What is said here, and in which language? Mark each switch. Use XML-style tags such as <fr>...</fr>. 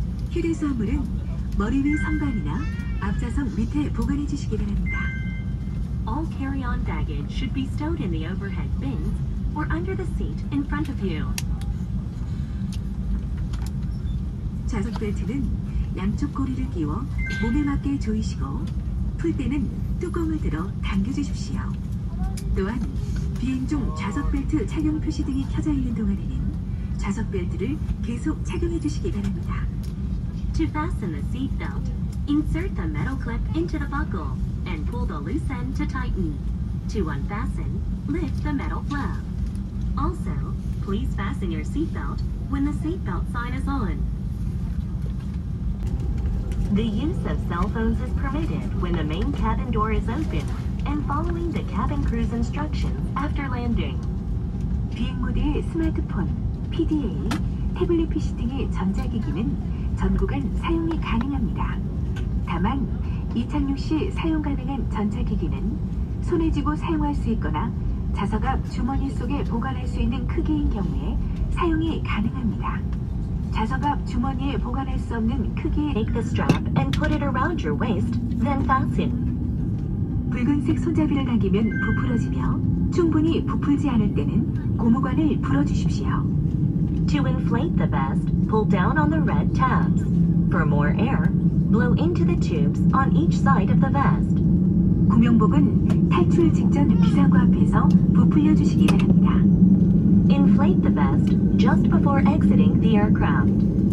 <ko>휴대수화물은 머리 위 선반이나 앞좌석 밑에 보관해 주시기 바랍니다.</ko> <en>All carry-on baggage should be stowed in the overhead bins or under the seat in front of you.</en> <ko>좌석 벨트는 양쪽 고리를 끼워 몸에 맞게 조이시고 풀 때는 뚜껑을 들어 당겨 주십시오. 또한 비행 중 좌석 벨트 착용 표시 등이 켜져 있는 동안에는 좌석 벨트를 계속 착용해 주시기 바랍니다.</ko> <en>To fasten the seatbelt, insert the metal clip into the buckle and pull the loose end to tighten. To unfasten, lift the metal flap. Also, please fasten your seatbelt when the seatbelt sign is on. The use of cell phones is permitted when the main cabin door is open and following the cabin crew's instructions after landing.</en> <ko>비행 모드의 스마트폰, PDA, 태블릿 PC 등의 전자기기는 전구간 사용이 가능합니다. 다만 이착륙 시 사용 가능한 전차 기기는 손에 쥐고 사용할 수 있거나 좌석 앞 주머니 속에 보관할 수 있는 크기인 경우에 사용이 가능합니다. 좌석 앞 주머니에 보관할 수 없는 크기의</ko> <en>Take the strap and put it around your waist, then fasten.</en> <ko>붉은색 손잡이를 당기면 부풀어지며 충분히 부풀지 않을 때는 고무관을 풀어주십시오.</ko> <en>To inflate the vest, pull down on the red tabs. For more air, blow into the tubes on each side of the vest.</en> <ko>구명복은 탈출 직전 비상구 앞에서 부풀려 주시기 바랍니다.</ko> <en>Inflate the vest just before exiting the aircraft.</en>